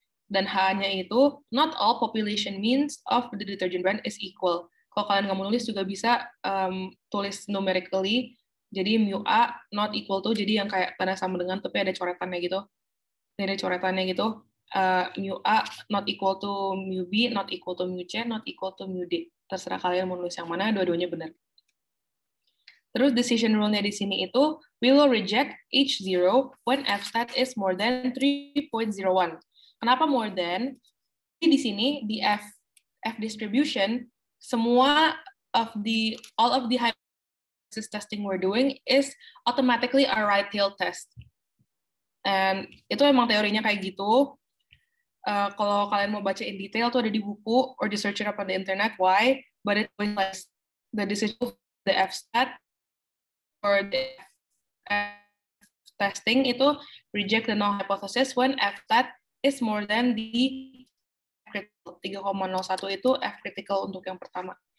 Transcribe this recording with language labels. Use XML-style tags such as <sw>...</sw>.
<id>Dan H-nya itu</id> <en>not all population means of the detergent brand is equal.</en> <id>Kalau kalian nggak mau nulis juga bisa tulis numerically. Jadi mu A not equal tuh jadi yang kayak tanda sama dengan tapi ada coretannya gitu. Ada coretannya gitu.</id> <en>Mu A not equal to mu B, not equal to mu C, not equal to mu D.</en> <id>Terserah kalian mau nulis yang mana, dua-duanya benar. Terus decision rule-nya di sini itu,</id> <en>we will reject H0 when F-stat is more than 3.01.</en> <id>Kenapa</id> <en>more than? Jadi di sini, di F distribution, semua of the, all of the hypothesis testing we're doing is automatically a right-tailed test.</en> <id>And itu emang teorinya kayak gitu. Kalau kalian mau baca in detail tuh ada di buku</id> <en>or di search it up on the internet why, but it was like the decision of the F stat or the F testing itu reject the null hypothesis when F stat is more than the critical.</en> <id>3,01 itu F critical untuk yang pertama.</id>